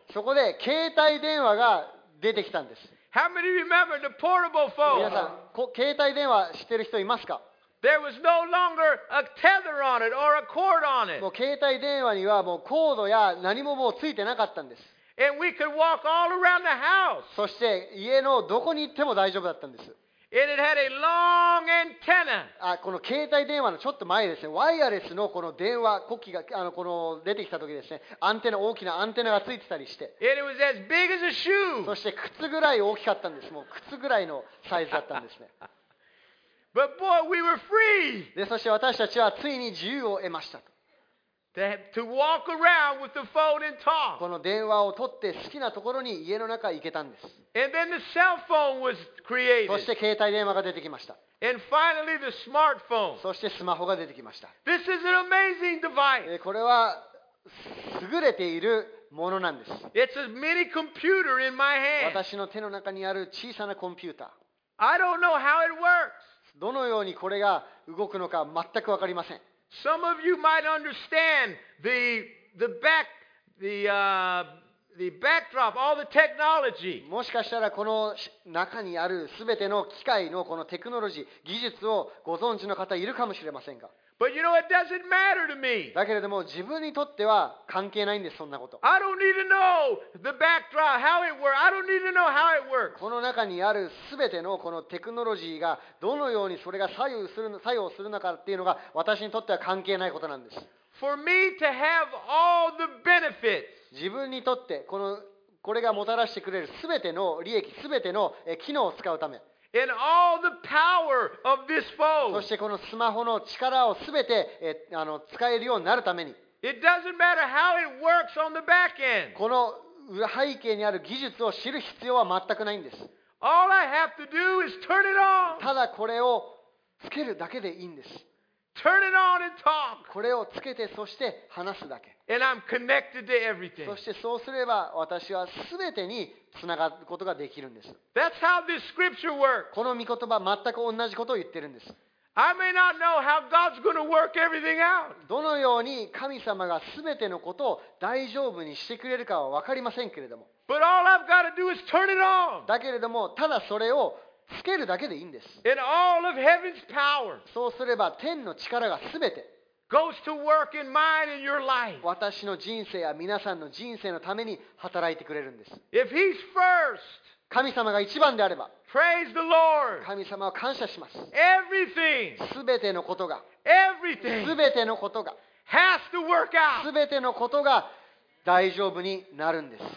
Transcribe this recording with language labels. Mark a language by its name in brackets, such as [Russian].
[Japanese] そこで携帯電話が出てきたんです。 [English] How many remember the portable phone? [Japanese] 皆さん、携帯電話知ってる人いますか？ [English] There was no longer a tether on it or a cord on it. [Japanese] もう携帯電話にはもうコードや何ももうついてなかったんです。 [English] And we could walk all around the house. [Japanese] そして家のどこに行っても大丈夫だったんです。 [English] And it had a long antenna. [Japanese] この携帯電話のちょっと前ですね、ワイヤレスのこの電話機器がこの出てきた時ですね、アンテナ大きなアンテナがついてたりして。 [English] And it was as big as a shoe. [Japanese] そして靴ぐらい大きかったんです。もう靴ぐらいのサイズだったんですね。 [English] But boy, we were free. [Japanese] で、そして私たちはついに自由を得ましたと。 [English] To walk around with the phone and talk. [Japanese] この電話を取って好きなところに家の中行けたんです。 [English] And then the cell phone was created. [Japanese] そして携帯電話が出てきました。 [English] And finally the smartphone. [Japanese] そしてスマホが出てきました。 [English] This is an amazing device. [Japanese] これは優れているものなんです。 [English] It's a mini computer in my hand. [Japanese] 私の手の中にある小さなコンピューター。 [English] I don't know how it works. [Japanese] どのようにこれが動くのか全く分かりません。 [English] Some of you might understand the back the backdrop, all the technology. [Japanese] もしかしたらこの中にある全ての機械のこのテクノロジー、技術をご存知の方いるかもしれませんが。 [English] But you know, it doesn't matter to me. [Japanese] だけれども自分にとっては関係ないんです、そんなこと。 [English] I don't need to know the backdrop, how it works. I don't need to know how it works. [Japanese] この中にある全てのこのテクノロジーがどのようにそれが作用するのかっていうのが私にとっては関係ないことなんです。 [English] For me to have all the benefits. [Japanese] 自分にとってこれがもたらしてくれる全ての利益、全ての機能を使うため。 [English] And all the power of this phone. [Japanese] そしてこのスマホの力をすべて使えるようになるために。 [English] It doesn't matter how it works on the back end. [Japanese] この背景にある技術を知る必要は全くないんです。 [English] All I have to do is turn it on. [Japanese] ただこれをつけるだけでいいんです。 [English] Turn it on and talk. [Japanese] これをつけてそして話すだけ。 [English] And I'm connected to everything. [Japanese] そしてそうすれば私はすべてにつながることができるんです。 [English] That's how this scripture works. [Japanese] この御言葉全く同じことを言ってるんです。 [English] I may not know how God's going to work everything out. [Japanese] どのように神様がすべてのことを大丈夫にしてくれるかは分かりませんけれども。 [English] But all I've got to do is turn it on. [Japanese] だけれどもただそれをつけるだけでいいんです。 [English] And all of heaven's power. [Japanese] そうすれば天の力がすべて。 [English] Goes to work in mine and your life. [Japanese] 私の人生や皆さんの人生のために働いてくれるんです。 [English] If he's first, [Japanese] 神様が一番であれば、 [English] praise the Lord. [Japanese] 神様を感謝します。 [English] Everything, [Japanese] 全てのことが、 [English] everything, [Japanese] 全てのことが、 [English] has to work out. [Japanese] 全てのことが大丈夫になるんです。